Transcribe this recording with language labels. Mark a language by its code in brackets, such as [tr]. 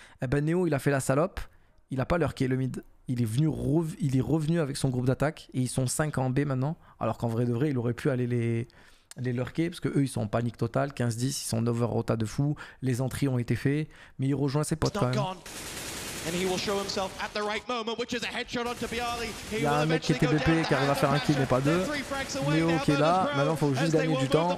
[fr] Eh ben, Neo, il a fait la salope. Il a pas lurké le mid. Il est revenu avec son groupe d'attaque. Et ils sont 5 en B maintenant. Alors qu'en vrai de vrai, il aurait pu aller les lurker parce que eux ils sont en panique totale. 15-10, ils sont en over rota de fou, les entries ont été faites, mais il rejoint ses potes quand même. [en] And he will show himself at the right moment, which is a headshot onto Bialy. [fr] Il y a un mec qui est TBP qui arrive à faire un kill mais pas deux. Neo qui est là, maintenant faut juste gagner du temps.